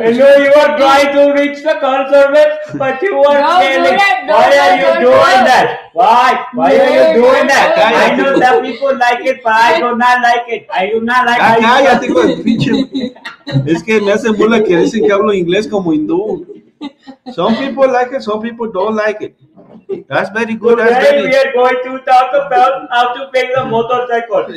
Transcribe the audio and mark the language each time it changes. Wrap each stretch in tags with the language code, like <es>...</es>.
<en>If you are trying to reach the consumer, but you are failing. Why are you doing that? Why are you doing that? I know that people like it, but I do not like it. I do not like it.</en> <es>Acá ya tengo el pinche. Es que me hacen burla que dicen que hablo inglés como hindú.</es> <en>Some people like it, some people don't like it. That's very good. Today that's very... we are going to talk about how to fix the motorcycle.</en>